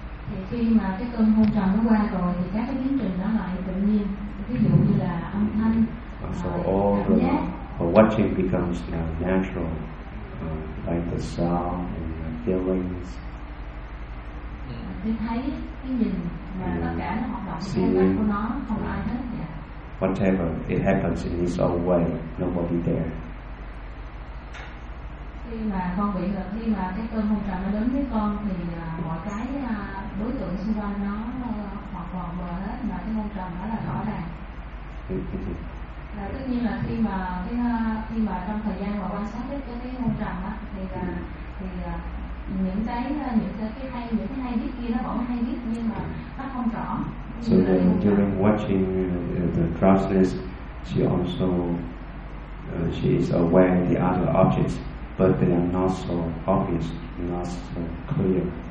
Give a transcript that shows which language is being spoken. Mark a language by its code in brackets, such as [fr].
[vi] Thì khi mà cái cơn hôn trầm nó qua rồi thì các cái biến trình nó lại tự nhiên, ví dụ như là âm thanh, [en] so [vi] cảm giác, [en] the watching becomes natural, like the sound and the feelings. [vi] Thì thấy cái nhìn là tất cả nó hoạt động theo cách của nó, không ai hết vậy. [en] Whatever it happens in its own way, nobody there. [vi] Khi mà con bị là khi mà cái cơn hôn trầm nó đến với con thì mọi cái đối tượng xung quanh nó hoàn toàn mờ hết, mà cái hôn trầm nó là rõ ràng. Là tất nhiên là khi mà trong thời gian mà quan sát hết cái hôn trầm á thì những cái hay, những cái hay biết kia nó vẫn hay biết, nhưng mà nó không rõ. [en] So then during watching the drowsiness, she also she is aware of the other objects, but they are not so obvious, not so clear.